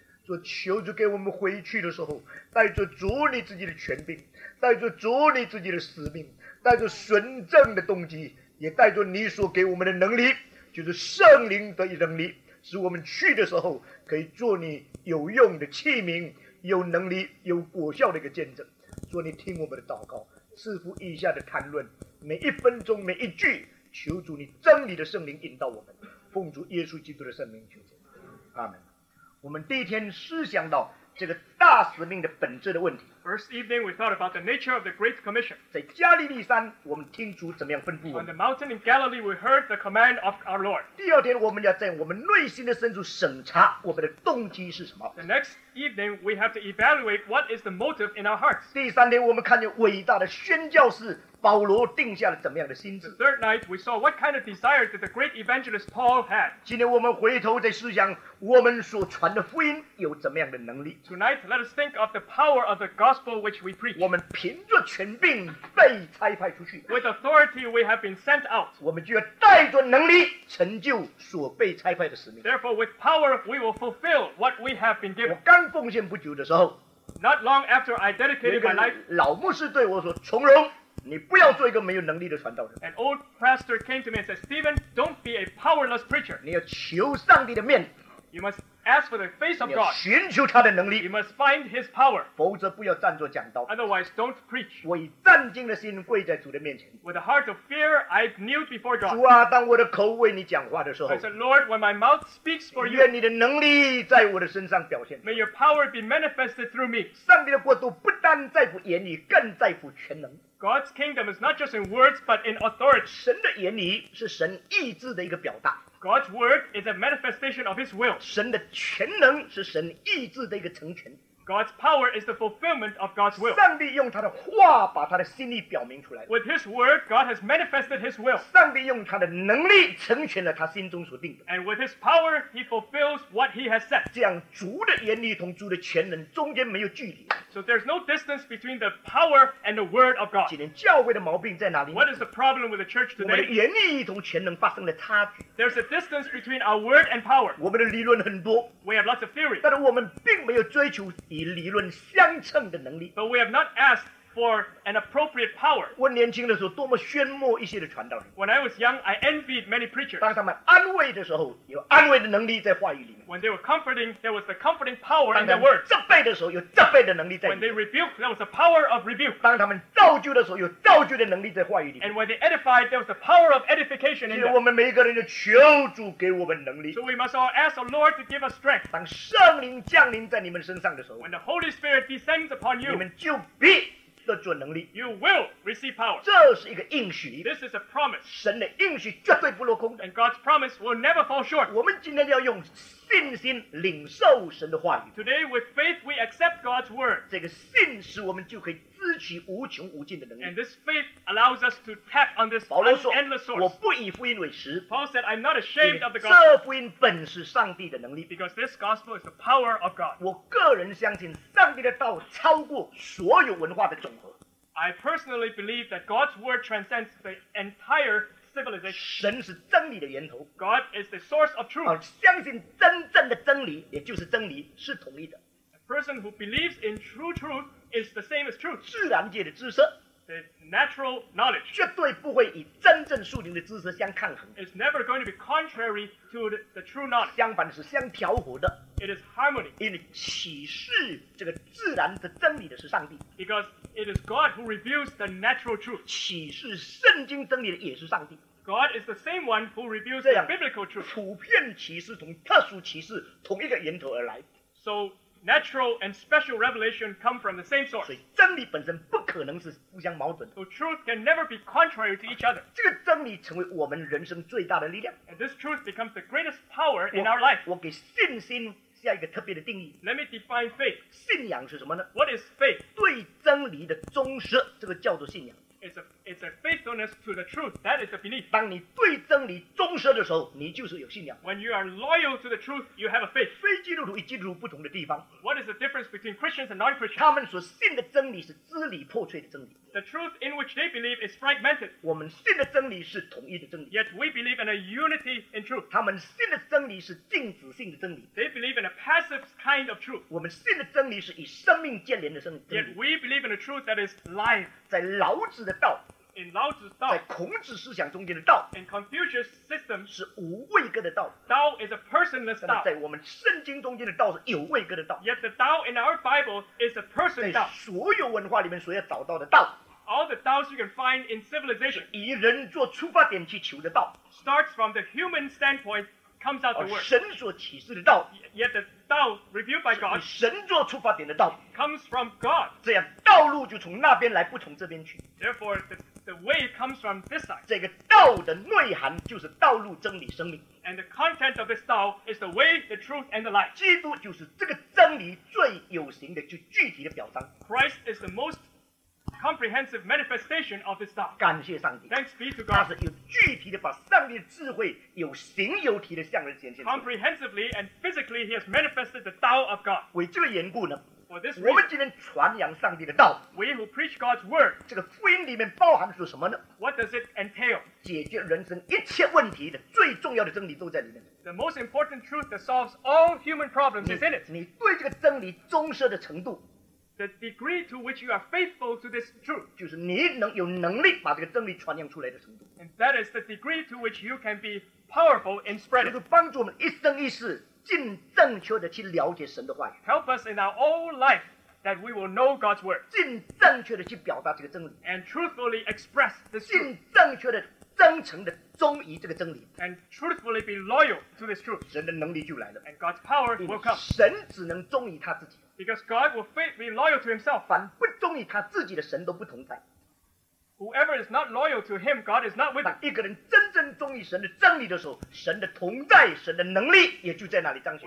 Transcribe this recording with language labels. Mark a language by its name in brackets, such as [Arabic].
[Chinese] 主、啊、求主给我们回去的时候带着主你自己的权柄带着主你自己的使命带着纯正的动机也带着你所给我们的能力就是圣灵的能力使我们去的时候可以做你有用的器皿有能力有果效的一个见证主你听我们的祷告赐福以下的谈论每一分钟每一句求主你真理的圣灵引导我们奉主耶稣基督的圣名求见阿们我们第一天思想到这个大使命的本质的问题 [English] First evening we thought about the nature of the Great Commission [Chinese] 在加利利山我们听主怎么样吩咐我们 [English] On the mountain in Galilee we heard the command of our Lord [Chinese] 第二天我们要在我们内心的深处审查我们的动机是什么 [English] The next evening we have to evaluate what is the motive in our hearts [Chinese] 第三天我们看见伟大的宣教士保罗定下了怎么样的心志 [English] The third night we saw what kind of desire that the great evangelist Paul had [Chinese] 今天我们回头再思想我们所传的福音有怎么样的能力 [English] Tonight let us think of the power of the gospel which we preach [Chinese] 我们凭着权柄被差派出去 [English] With authority we have been sent out [Chinese] 我们就要带着能力成就所被差派的使命 [English] Therefore with power we will fulfill what we have been given [Chinese] 我刚奉献不久的时候 [English] Not long after I dedicated my life [Chinese] 老牧师对我说从容你不要做一个没有能力的传道人。 [English] An old pastor came to me and said, Stephen, don't be a powerless preacher. [Chinese] 你要求上帝的面。 [English] You must ask for the face of God. [Chinese] 你要寻求他的能力。 [English] You must find his power. [Chinese] 否则不要站着讲道。 [English] Otherwise, don't preach. [Chinese] 我以战惊的心跪在主的面前。 [English] With a heart of fear, I kneeled before God. [Chinese] 主啊，当我的口为你讲话的时候。 [English] I said, Lord, when my mouth speaks for you. [Chinese] 愿你的能力在我的身上表现。 [English] May your power be manifested through me. [Chinese] 上帝的国度不单在乎言语，更在乎全能。 [English] God's kingdom is not just in words, but in authority. [Chinese] 神的言语是神意志的一个表达。 [English] God's word is a manifestation of His will. [Chinese] 神的全能是神意志的一个成全。 [English] God's power is the fulfillment of God's will. [Chinese] 上帝用他的话把他的心意表明出来。 [English] With His word, God has manifested His will. [Chinese] 上帝用他的能力成全了他心中所定的。 [English] And with His power, He fulfills what He has said. [Chinese] 这样主的言语同主的全能中间没有距离。 [English] So there's no distance between the power and the word of God. [Chinese] 今天教会的毛病在哪里？ [English] What is the problem with the church today? [Chinese] 我们的言语同全能发生了差距。 [English] There's a distance between our word and power. [Chinese] 我们的理论很多。 [English] We have lots of theory. [Chinese] 但是我们并没有追求与理论相称的能力。 [English] But we have not asked for an appropriate power. [Chinese] 我年轻的时候多么炫目一些的传道人。 [English] When I was young, I envied many preachers. [Chinese] 当他们安慰的时候，有安慰的能力在话语里面。 [English] When they were comforting, there was the comforting power in their words. [Chinese] 当他们责备的时候，有责备的能力在。 [English] When they rebuked, there was the power of rebuke. [Chinese] 当他们造就的时候，有造就的能力在话语里面。 [English] And when they edified, there was the power of edification in them. [Chinese] 我们每一个人就求主给我们能力。 [English] So we must all ask the Lord to give us strength. [Chinese] 当圣灵降临在你们身上的时候 [English] ，When the Holy Spirit descends upon you, [Chinese] 你们就必的准能力。 [English] You will receive power. [Chinese] 这是一个应许。 [English] This is a promise. [Chinese] 神的应许绝对不落空的。 [English] And God's promise will never fall short. [Chinese] 我们今天要用信心领受神的话语。 [English] Today with faith we accept God's word. [Chinese] 这个信使我们就可以支取无穷无尽的能力。 [English] And this faith allows us to tap on this endless source. [Chinese] 保罗说，我不以福音为耻。 [English] Paul said, I'm not ashamed of the gospel. [Chinese] 这福音本是上帝的能力。 [English] Because this gospel is the power of God. [Chinese] 我个人相信上帝的道超过所有文化的总和。 [English] I personally believe that God's word transcends the entire civilization. [Chinese] 神是真理的源头。 [English] God is the source of truth. [Chinese] 相信真正的真理，也就是真理，是统一的。 [English] A person who believes in true truth is the same as truth. [Chinese] 自然界的知识。 [English] The natural knowledge. [Chinese] 绝对不会与真正属灵的知识相抗衡。 [English] It's never going to be contrary to the true knowledge. [Chinese] 相反是相调和的。 [English] It is harmony. [Chinese] 因为启示这个自然的真理的是上帝。 [English] Because it is God who reveals the natural truth. [Chinese] 启示圣经真理的也是上帝。 [English] God is the same one who reveals the biblical truth. [Chinese] 普遍启示同特殊启示同一个源头而来。 [English] So natural and special revelation come from the same source. [Chinese] 所以真理本身不可能是互相矛盾的。 [English] So truth can never be contrary to each other. [Chinese] 这个真理成为我们人生最大的力量。 [English] And this truth becomes the greatest power in our life. [Chinese] 我给信心下一个特别的定义。 [English] Let me define faith. [Chinese] 信仰是什么呢？ [English] What is faith? [Chinese] 对真理的忠实，这个叫做信仰。 [English] It's a faithfulness to the truth. That is the belief. [Chinese] 当你对真理忠实的时候，你就是有信仰。 [English] When you are loyal to the truth, you have a faith. [Chinese] 非基督徒与基督徒不同的地方。 [English] What is the difference between Christians and non-Christians? [Chinese] 他们所信的真理是支离破碎的真理。 [English] The truth in which they believe is fragmented. [Chinese] 我们信的真理是统一的真理。 [English] Yet we believe in a unity in truth. [Chinese] 他们信的真理是静止性的真理。 [English] They believe in a passive kind of truth. [Chinese] 我们信的真理是与生命建联的真理。 [English] Yet we believe in a truth that is life. [Chinese] 在老子的道。 [English] In Lao Tzu's 道， [Chinese] 在孔子思想中间的道 [English] ，In Confucius' system [Chinese] 是无位格的道。 [English] Tao is a personless 道。 [Chinese] 在我们圣经中间的道是有位格的道。 [English] Yet the Tao in our Bible is a person 道。 [Chinese] 在所有文化里面所要找到的道。 [English] All the Taos you can find in civilization [Chinese] 以人做出发点去求的道。 [English] Starts from the human standpoint. Comes out the word. [Chinese] 神所启示的道 [English] Yet the 道 revealed by God [Chinese] 神做出发点的道 [English] comes from God. [Chinese] 这样道路就从那边来不从这边去 [English] Therefore the way comes from this side. [Chinese] 这个道的内涵就是道路真理生命 [English] And the content of this 道 is the way, the truth, and the life. [Chinese] 基督就是这个真理最有形的就具体的表彰 [English] Christ is the most comprehensive manifestation of this 道 [Chinese] 感谢上帝 [English] Thanks be to God. [Chinese] 他是有具体的把上帝的智慧有形有体的向人显现 [English] Comprehensively and physically he has manifested the 道 of God. [Chinese] 为这个缘故呢 [English] For this [Chinese] 我们今天传扬上帝的道 [English] We who preach God's word. [Chinese] 这个福音里面包含着什么呢 [English] What does it entail? [Chinese] 解决人生一切问题的最重要的真理都在里面 [English] The most important truth that solves all human problems is in it. [Chinese] 你对这个真理忠实的程度 [English] The degree to which you are faithful to this truth, [Chinese] 就是你能有能力把这个真理传扬出来的程度。 [English] And that is the degree to which you can be powerful in spreading. [Chinese] 就是帮助我们一生一世尽正确的去了解神的话语。 [English] Help us in our whole life that we will know God's word. [Chinese] 尽正确的去表达这个真理。 [English] And truthfully express the truth. [Chinese] 尽正确的真诚的忠于这个真理。 [English] And truthfully be loyal to this truth. [Chinese] 神的能力就来了。 [English] And God's power will come. [Chinese] 神只能忠于他自己。 [English] Because God will be loyal to himself. [Chinese] 凡不忠于他自己的神都不同在。 [English] Whoever is not loyal to him, God is not with him. [Chinese] 当一个人真正忠于神的真理的时候，神的同在，神的能力也就在那里彰显。